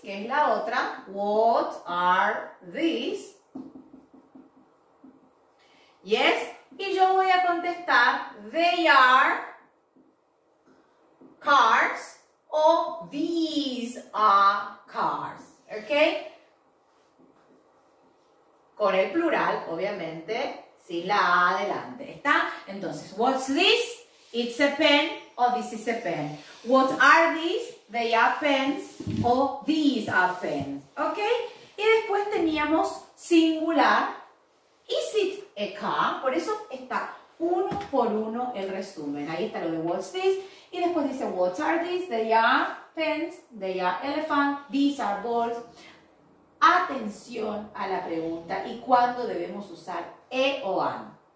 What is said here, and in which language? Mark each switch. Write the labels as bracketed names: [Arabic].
[Spanish] Que es la otra. [English] What are these? Yes. [Spanish] Y yo voy a contestar, [English] they are cars [Spanish] o [English] these are cars. ¿ok? [Spanish] Con el plural, obviamente, sin la A adelante, ¿está? Entonces, [English] what's this? It's a pen, or this is a pen. What are these? They are pens, or these are pens, ¿ok? [Spanish] Y después teníamos singular, [English] is it a car? [Spanish] Por eso está uno por uno el resumen. Ahí está lo de [English] what's this, [Spanish] y después dice [English] what are these? They are pens, they are elephants, these are balls. [Spanish] Atención a la pregunta y cuándo debemos usar e o an.